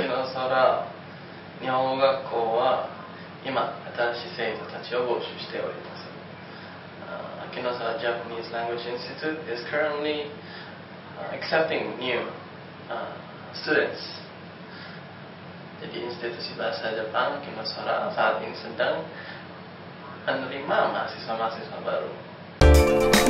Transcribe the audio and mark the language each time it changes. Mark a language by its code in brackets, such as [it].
[ja] さら日本語学校は今新しい生徒たちを募集しております。 [en] アキノサラ Japanese Language Institute is currently accepting new students. [id] Jadi institusi bahasa Jepang Akino Sora saat ini sedang menerima mahasiswa-mahasiswa baru.